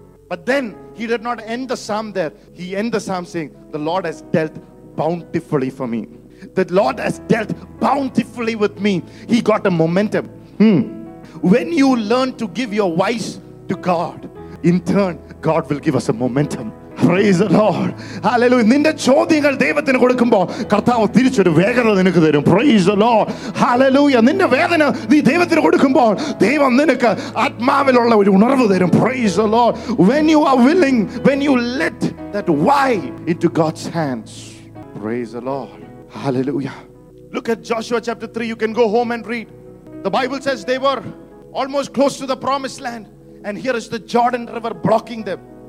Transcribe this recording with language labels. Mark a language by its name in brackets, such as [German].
[English] But then he did not end the psalm there. He ended the psalm saying, the Lord has dealt bountifully for me. The Lord has dealt bountifully with me. He got a momentum. When you learn to give your wise to God, in turn, God will give us a momentum. Praise the Lord. Hallelujah. [Malayalam] നിന്റെ ചോദ്യങ്ങൾ ദൈവത്തിന് കൊടുക്കുമ്പോൾ കർത്താവ് തിരിച്ചൊരു വേഗത നിനക്ക് തരും. [English] Praise the Lord. [Malayalam] Hallelujah. നിന്റെ വേദന നീ ദൈവത്തിന് കൊടുക്കുമ്പോൾ ദൈവം നിനക്ക് ആത്മാവിലുള്ള ഒരു ഉണർവ് തരും. [English] Praise the Lord. When you are willing, when you let that why into God's hands. Praise the Lord. Hallelujah. Look at Joshua chapter 3. You can go home and read. The Bible says they were almost close to the promised land, and here is the Jordan River blocking them.